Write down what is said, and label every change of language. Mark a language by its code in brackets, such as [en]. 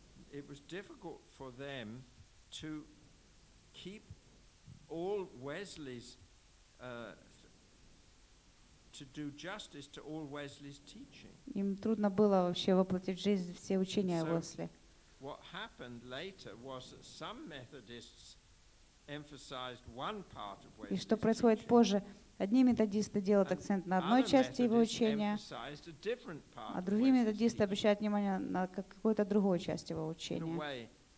[en] It was difficult for them to keep all Wesley's to do justice to all Wesley's teaching. [ru] Им трудно было вообще воплотить в жизнь все учения Уэсли. [en] What happened later was that some Methodists emphasized one part of Wesley's. [ru] И что происходит позже? Одни методисты делают акцент на одной части его учения, а другие методисты обращают внимание на какую-то другую часть его учения.